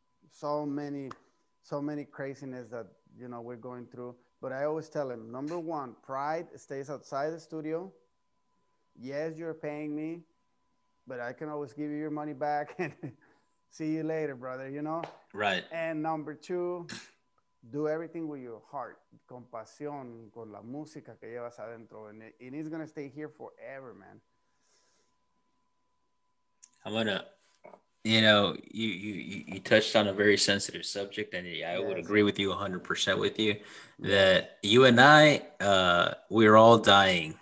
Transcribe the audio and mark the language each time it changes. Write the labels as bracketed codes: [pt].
[en] So many craziness that, you know, we're going through. But I always tell him, number one, pride stays outside the studio. Yes, you're paying me, but I can always give you your money back and see you later, brother, you know? Right. And number two, do everything with your heart. [es] Con pasión, con la música que llevas adentro. [en] And it's going to stay here forever, man. I'm going to, you know, you touched on a very sensitive subject, and I would agree with you 100% with you that you and I, we're all dying.